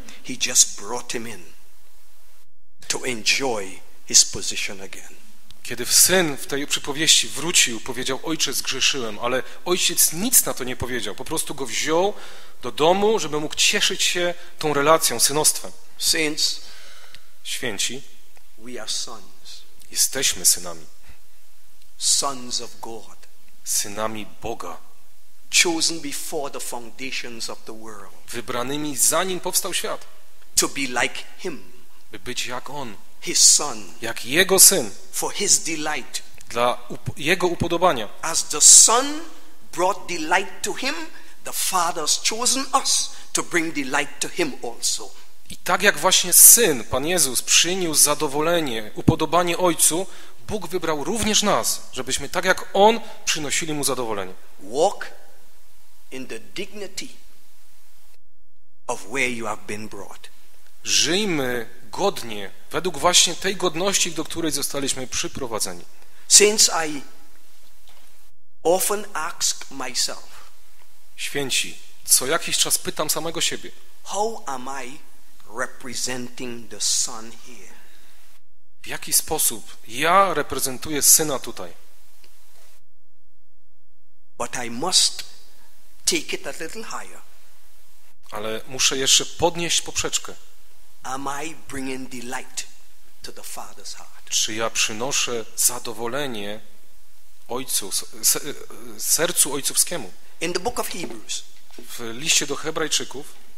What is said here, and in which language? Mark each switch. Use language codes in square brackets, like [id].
[en] He just brought him in to enjoy his position again. [pl] Kiedy syn w tej przypowieści wrócił, powiedział: Ojcze, zgrzeszyłem, ale ojciec nic na to nie powiedział. Po prostu go wziął do domu, żeby mógł cieszyć się tą relacją, synostwem. [en] Saints, [pl] święci, [en] we are sons. [pl] Jesteśmy synami. [en] Sons of God. [pl] Synami Boga. [en] Chosen before the foundations of the world. [pl] Wybranymi zanim powstał świat. [en] To be like him. [pl] By być jak on. [en] His son. [pl] Jak jego syn. [en] For his delight. [pl] Dla jego upodobania. [en] As the son brought delight to him, the father's chosen us to bring delight to him also. [pl] I tak jak właśnie syn, Pan Jezus, przyniósł zadowolenie, upodobanie ojcu, Bóg wybrał również nas, żebyśmy tak jak on przynosili mu zadowolenie. [en] Walk in the dignity of where you have been brought. [pl] Żyjmy godnie, według właśnie tej godności, do której zostaliśmy przyprowadzeni. [en] Since I often ask myself, [pl] święci, co jakiś czas pytam samego siebie, [en] how am I representing the Son here? [pl] W jaki sposób ja reprezentuję Syna tutaj? [en] But I must take it a little higher. [pl] Ale muszę jeszcze podnieść poprzeczkę. [en] Am I bringing delight to the Father's heart? [pl] Czy ja przynoszę zadowolenie ojcu, sercu ojcowskiemu? [en] In the book of Hebrews, [pl] w liście do Hebrajczyków,